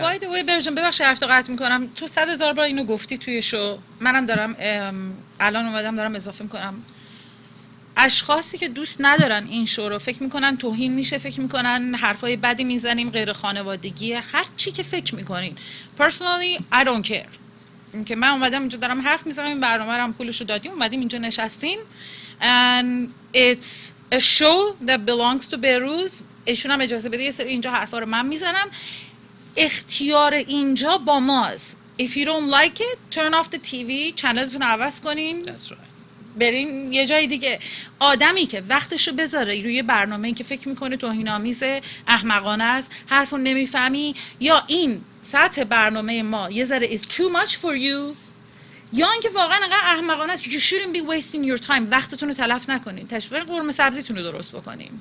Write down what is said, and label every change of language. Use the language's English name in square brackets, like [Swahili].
[Persian] باید وای برجم ببخش حرف تو قطع میکنم، تو 100,000 بار اینو گفتی توی شو، منم دارم الان اومدم دارم اضافه میکنم. اشخاصی که دوست ندارن این شو رو، فکر میکنن توهین میشه، فکر میکنن حرفای بدی میزنیم، غیر خانوادگیه، هر چی که فکر میکنین. [English] Personally, I don't care. [Persian] اینکه من اومدم اینجا دارم حرف میزنم، این برنامه رو هم پولشو دادیم، اومدیم اینجا نشستیم. [English] And it's a show that belongs to Behruz. [Persian] ایشون هم اجازه بده یه سری اینجا حرفا رو من میزنم. اختیار اینجا با ماست. [English] If you don't like it, turn off the TV. [Persian] چنلتون رو عوض کنین. [English] That's right. [Persian] برین یه جای دیگه. آدمی که وقتشو بذاره روی برنامه‌ای که فکر می‌کنه توهین‌آمیزه، احمقانه است، حرفو نمی‌فهمی، یا این سطح برنامه ما یه ذره [English] is too much for you، [Persian] یا اینکه واقعا انقدر احمقانه است، [English] you shouldn't be wasting your time، [Persian] وقتتون رو تلف نکنین، تشویق قرمه سبزیتون رو درست بکنین.